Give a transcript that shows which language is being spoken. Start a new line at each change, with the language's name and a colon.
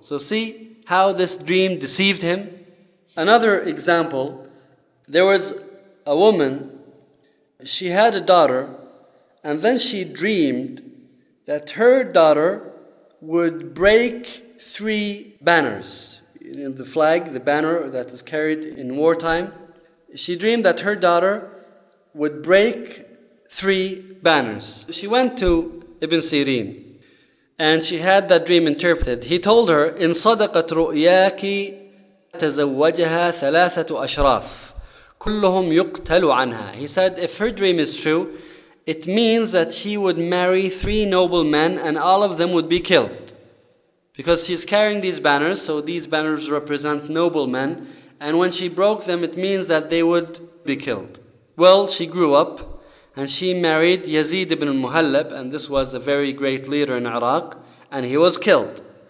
English: So see how this dream deceived him? Another example, there was a woman, she had a daughter, and then she dreamed that her daughter would break 3 banners. You know, the flag, the banner that is carried in wartime. She dreamed that her daughter would break 3 banners. She went to Ibn Sirin, and she had that dream interpreted.
Arabic: He told her, إِن صَدَقَتْ رُؤْيَاكِ تَزَوَّجَهَا ثَلَاثَةُ أَشْرَافٍ كُلُّهُمْ يُقْتَلُ عَنْهَا.
English: He said, if her dream is true, it means that she would marry 3 noble men and all of them would be killed. Because she's carrying these banners, so these banners represent noblemen. And when she broke them, it means that they would be killed. Well, she grew up and she married Yazid ibn Muhallab, and this was a very great leader in Iraq, and he was killed.